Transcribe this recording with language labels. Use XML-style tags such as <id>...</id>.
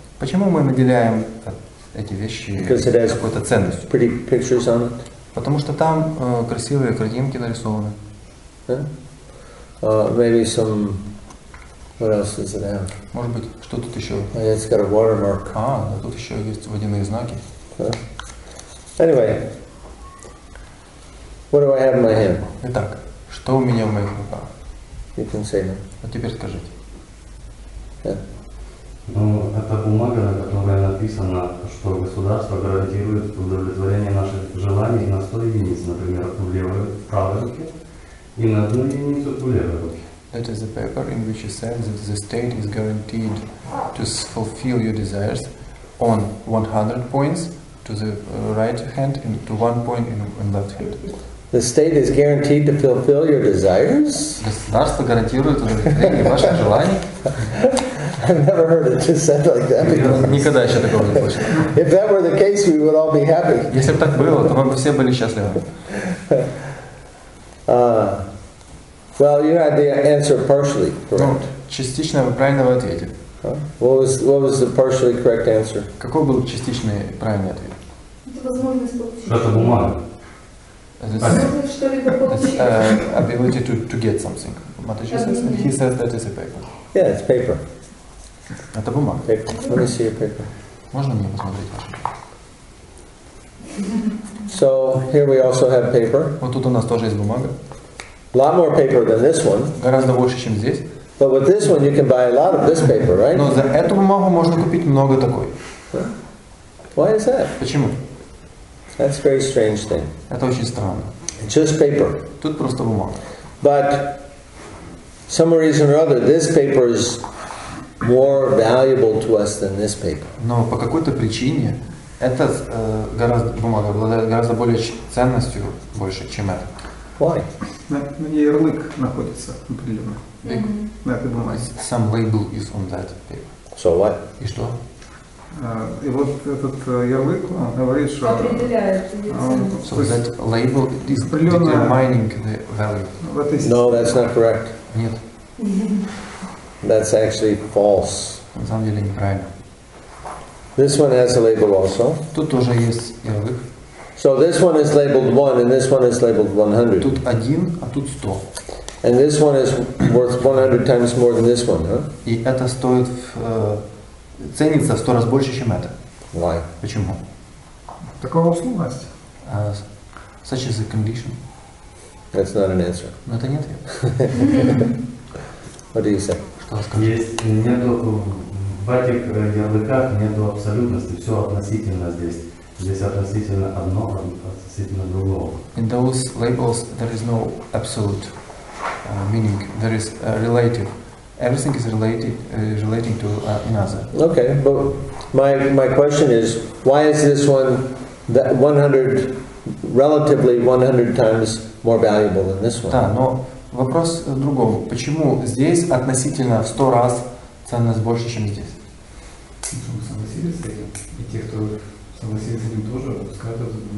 <ru>Почему мы наделяем эти вещи какой-то ценностью?</ru> <en>Pretty pictures on it.</en> <ru>Потому что там красивые картинки нарисованы.</ru> <en>Yeah. Maybe some what else does it have?</en> <ru>Может быть, что тут еще?</ru> <en>It's got a watermark.</en> <ru>А, да, тут еще есть водяные знаки.</ru> <en>Anyway, what do I have in my hand?</en> <ru>Итак, что у меня в моих руках?</ru> <en>You can say that.</en> <ru>А теперь скажите. Ну, это бумага, на которой написано, что государство гарантирует удовлетворение наших желаний на 100 единиц, например, в левой, правой руке, и на 1 единицу в левой руке.</ru> <en>That is the paper in which it says that the state is guaranteed to fulfill your desires on 100 points, to the right hand and to 1 point in left hand. The state is guaranteed to fulfill your desires?</en> <ru>Государство гарантирует удовлетворение ваших желаний?</ru> <en>I've never heard it just said like that before.</en> <ru>Никогда еще такого не слышал.</ru> <en>If that were the case, we would all be happy.</en> <ru>Если бы так было, то мы бы все были счастливы.</ru> <en>Well, you had the answer partially correct.</en> <ru>Ну, частично вы правильно ответили.</ru> <en>Huh? What was the partially correct answer?</en> <ru>Какой был частичный правильный ответ? Это возможность получить. Это бумага.</ru> <en>Ability to get something. He says that is a paper. Yeah, it's paper.</en> <ru>Это бумага.</ru> <en>Paper. Let me see your paper.</en> <ru>Можно мне посмотреть ваше?</ru> <en>So here we also have paper.</en> <ru>Вот тут у нас тоже есть бумага.</ru> <en>A lot more paper than this one.</en> <ru>Гораздо больше, чем здесь.</ru> <en>But with this one, you can buy a lot of this paper, right?</en> <ru>Но за эту бумагу можно купить много такой.</ru> <en>Why is that?</en> <ru>Почему?</ru> <en>That's a very strange thing.</en> <ru>Это очень странно.</ru> <en>It's just paper.</en> <ru>Тут просто бумага.</ru> <en>But some reason or other, this paper is more valuable to us than this paper.</en> <ru>Но по какой-то причине эта бумага обладает гораздо более ценностью, больше, чем это.</ru> <en>Why?</en> <ru>На ней ярлык находится определенный. Mm-hmm. На этой бумаге.</ru> <en>Some label is on that paper. So what?</en> <ru>И что? И вот этот ярлык, он говорит, что... Определяет.</ru> <en>So that label is determining the value. No, that's not correct.</en> <ru>Нет.</ru> <en>That's actually false.</en> <ru>На самом деле неправильно.</ru> <en>This one has a label also.</en> <ru>Тут тоже есть ярлык.</ru> <en>So this one is labeled 1 and this one is labeled 100.</en> <ru>Тут один, а тут 100.</ru> <en>And this one is worth 100 times more than this one, huh?</en> <ru>И это стоит ценится в 100 раз больше, чем это.</ru> <en>Why?</en> <ru>Почему? Такова услуга.</ru> <en>Such is the condition. That's not an answer.</en> <ru>Но это не ответ.</ru> <en>What do you say?</en> <ru>Есть нету в этих ярлыках нету абсолютности, все относительно здесь. Здесь относительно одно, относительно другого.</ru> <en>In those labels there is no absolute meaning. There is relative. Everything is related, relating to another. Okay, but my question is, why is this one that 100 relatively 100 times more valuable than this one?</en> <ru>Да, но вопрос в другом. Почему здесь относительно в 100 раз ценность больше, чем здесь? Потому что согласились с этим. И те, кто согласились с этим, тоже скажут.</ru>